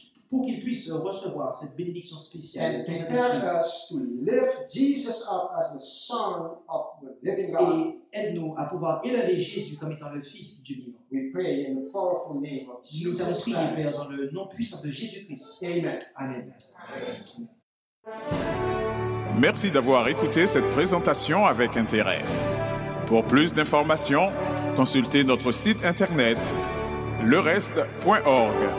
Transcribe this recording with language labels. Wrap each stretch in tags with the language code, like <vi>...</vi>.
<fr>Pour qu'ils puissent recevoir cette bénédiction spéciale.</fr> <en>And prepare us to lift Jesus up as the Son of the Living God.</en> <fr>Et aide-nous à pouvoir élever Jésus comme étant le Fils du Dieu vivant.</fr> <en>We pray in the powerful name of Jesus Christ.</en> <fr>Nous t'avons prié, Père, dans le nom puissant de Jésus Christ.</fr> <en>Amen.</en> <fr>Amen. Merci d'avoir écouté cette présentation avec intérêt. Pour plus d'informations, consultez notre site internet lereste.org.</fr>